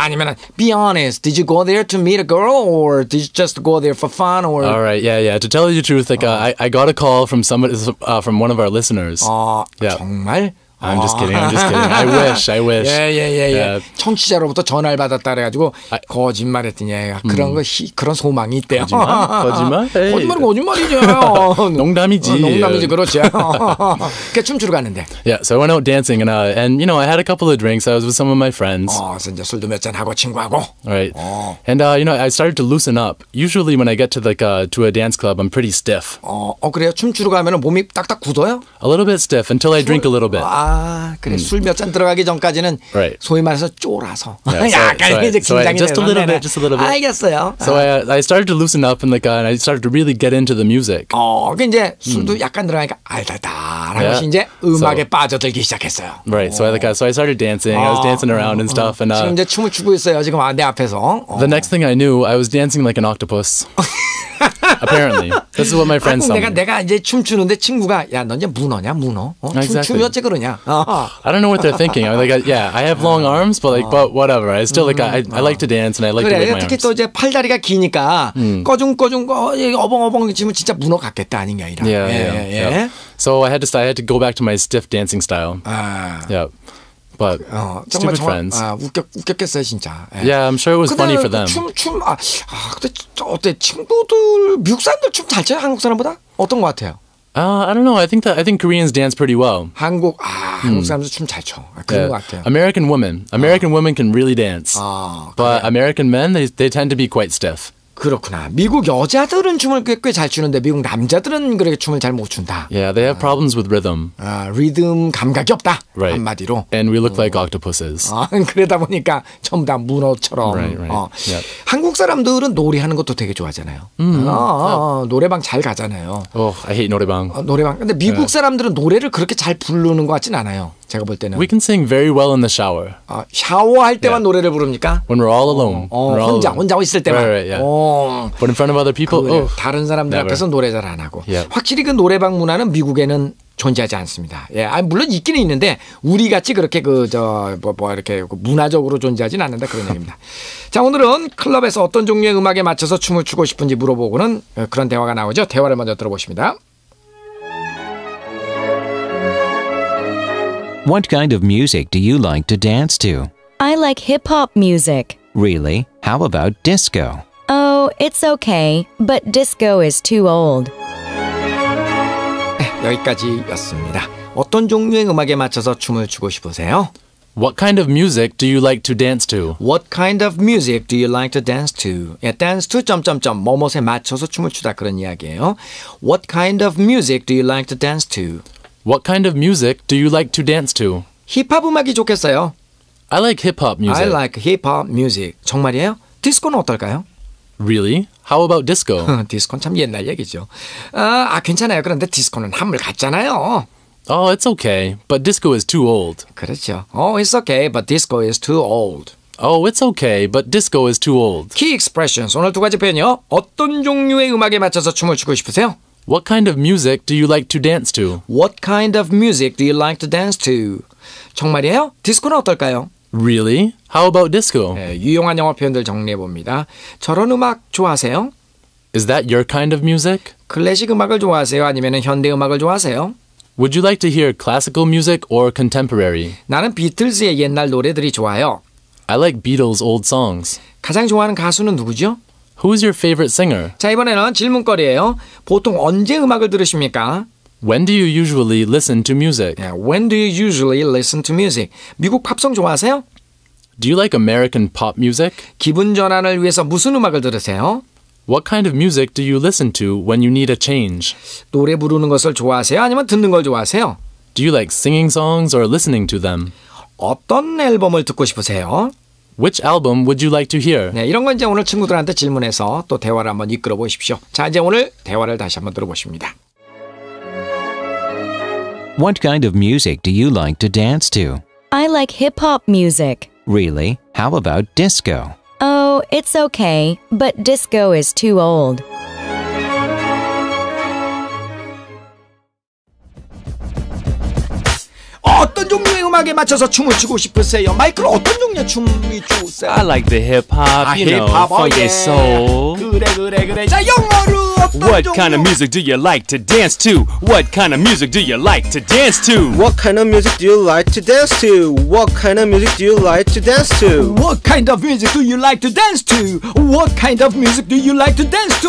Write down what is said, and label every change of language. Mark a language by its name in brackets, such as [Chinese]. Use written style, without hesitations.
[Korean] 아니면, [English] be honest, did you go there to meet a girl or did you just go there for fun or? All right, yeah, yeah. To tell you the truth, like, I got a call from somebody, from one of our listeners. [Korean] 정말? [English] I'm just kidding. I'm just kidding. I wish. I wish. Yeah, yeah, yeah, yeah. yeah. [Korean] 청취자로부터 전화를 받았다 그래가지고 거짓말했더니 그런 거 그런 소망이 있대요. 거짓말? 거짓말? Hey. 거짓말은 거짓말이죠. 농담이지. 농담이지. 그렇죠. 그 춤추러 갔는데. [English] Yeah, so I went out dancing and you know I had a couple of drinks. I was with some of my friends. [Korean] 이제 술도 몇 잔 하고 친구하고. [English] Right. And you know I started to loosen up. Usually when I get to like to a dance club, I'm pretty stiff. [Korean] 그래요? 춤추러 가면 몸이 딱딱 굳어요? [English] A little bit stiff until I drink a little bit. [Korean] 그래 술 몇 잔 들어가기 전까지는 [English] right. [Korean] 소위 말해서 쫄아서 [English] yeah, so, [Korean] 약간 [English] so [Korean] 이제 긴장이 [English] so just a little bit, just a little bit. [Korean] 알겠어요. [English] So I started to loosen up and like and I started to really get into the music. [Korean] 그 이제 술도 약간 들어가니까 알다라고 yeah. 이제 음악에 so, 빠져들기 시작했어요. [English] Right. So I like so I started dancing. I was dancing around and stuff. And [Korean] 지금 이제 춤을 추고 있어요. 지금 내 앞에서. [English] The next thing I knew, I was dancing like an octopus. Apparently, this is what my friends told me. [Korean] 내가 이제 춤추는데 친구가 야 너 이제 문어냐 문어? 춤이 어째 그러냐? [English] I don't know what they're thinking. I'm like, yeah, I have long arms, but like, but whatever. I still like, I like to dance and I like [Korean] 그래, [English] to wave my [Korean] 특히 arms. 특히 또 이제 팔다리가 기니까 꺼중꺼중 어벙어벙 치면 진짜 문어 같겠다 아닌 게 아니라. [English] Yeah, yeah, yeah. yeah. yeah. So I had to go back to my stiff dancing style. Yeah. But stupid friends. [Korean] 웃겼겠어요 진짜. [English] Yeah, I'm sure it was funny for them. [Korean] 근데 어때 친구들 미국 사람들 춤 잘 춰요 한국 사람보다 어떤 것 같아요? [English] I don't know. I think Koreans dance pretty well. [Korean] 한국 사람들 춤 잘 춰. 그런 것 같아요. [English] American women can really dance. But American men they tend to be quite stiff. [Korean] 그렇구나. 미국 여자들은 춤을 꽤 잘 추는데 미국 남자들은 그렇게 춤을 잘 못 춘다. [English] Yeah, they have problems with rhythm. [Korean] 리듬 감각이 없다. Right. 한마디로. [English] And we look like octopuses. [Korean] 그러다 보니까 전부 다 문어처럼. [English] Right, right. Yep. [Korean] 한국 사람들은 놀이하는 것도 되게 좋아하잖아요. 노래방 잘 가잖아요. [English] Oh, I hate 노래방. [Korean] 노래방. 근데 미국 yeah. 사람들은 노래를 그렇게 잘 부르는 것 같진 않아요. 제가 볼 때는. [English] We can sing very well in the shower. [Korean] 샤워할 때만 yeah. 노래를 부릅니까? [English] When we're all alone. [Korean] 혼자 있을 때만. [English] Right, right, yeah. But in front of other people, [Korean] 그래, 다른 사람들 [English] never. [Korean] 앞에서 노래 잘 안 하고. [English] Yep. [Korean] 확실히 그 노래방 문화는 미국에는 존재하지 않습니다. 예, 물론 있긴 있는데 우리 같이 그렇게 이렇게 문화적으로 존재하진 않는다 그런 얘기입니다. 자, 오늘은 클럽에서 어떤 종류의 음악에 맞춰서 춤을 추고 싶은지 물어보고는 그런 대화가 나오죠. 대화를 먼저 들어보십니다. [English] What kind of music do you like to dance to? I like hip-hop music. Really? How about disco? Oh, it's okay, but disco is too old. [Korean] 네, 여기까지였습니다. 어떤 종류의 음악에 맞춰서 춤을 추고 싶으세요? [English] What kind of music do you like to dance to? What kind of music do you like to dance to? Yeah, dance to [Korean] 점점점 뭐뭐에 맞춰서 춤을 추다 그런 이야기예요. [English] What kind of music do you like to dance to? What kind of music do you like to dance to? [Korean] 힙합 음악이 좋겠어요. [English] I like hip-hop music. I like hip-hop music. [Korean] 정말이에요? 디스코는 어떨까요? [English] Really? How about disco? [Korean] 디스코는 참 옛날 얘기죠. 아, 괜찮아요. 그런데 디스코는 한물갔잖아요. [English] Oh, it's okay. But disco is too old. [Korean] 그렇죠. [English] Oh, it's okay. But disco is too old. Oh, it's okay, but disco is too old. Key expressions. [Korean] 오늘 두 가지 표현이요. 어떤 종류의 음악에 맞춰서 춤을 추고 싶으세요? [English] What kind of music do you like to dance to? What kind of music do you like to dance to? [Korean] 정말이에요? 디스코는 어떨까요? [English] Really? How about disco? [Korean] 네, 유용한 영어 표현들 정리해봅니다. 저런 음악 좋아하세요? [English] Is that your kind of music? [Korean] 클래식 음악을 좋아하세요? 아니면 현대 음악을 좋아하세요? [English] Would you like to hear classical music or contemporary? [Korean] 나는 비틀즈의 옛날 노래들이 좋아요. [English] I like Beatles old songs. [Korean] 가장 좋아하는 가수는 누구죠? [English] Who is your favorite singer? [Korean] 자, 이번에는 질문거리예요. 보통 언제 음악을 들으십니까? [English] When do you usually listen to music? Yeah, when do you usually listen to music? [Korean] 미국 팝송 좋아하세요? [English] Do you like American pop music? [Korean] 기분 전환을 위해서 무슨 음악을 들으세요? [English] What kind of music do you listen to when you need a change? [Korean] 노래 부르는 것을 좋아하세요? 아니면 듣는 걸 좋아하세요? [English] Do you like singing songs or listening to them? [Korean] 어떤 앨범을 듣고 싶으세요? [English] Which album would you like to hear? [Korean] 네, 이런 건 이제 오늘 친구들한테 질문해서 또 대화를 한번 이끌어 보십시오. 자, 이제 오늘 대화를 다시 한번 들어보십니다. [English] What kind of music do you like to dance to? I like hip-hop music. Really? How about disco? Oh, it's okay, but disco is too old. [Korean] 분위기에 맞춰서 춤을 추고 싶으세요. 마이클 어떤 종류의 춤이 좋으세요? [English] I like the hip hop, you know, funky soul. [Korean] 그래 그래 그래. 자 영어로 [English] What kind of music do you like to dance to? What kind of music do you like to dance to? What kind of music do you like to dance to? What kind of music do you like to dance to? What kind of music do you like to dance to? What kind of music do you like to dance to?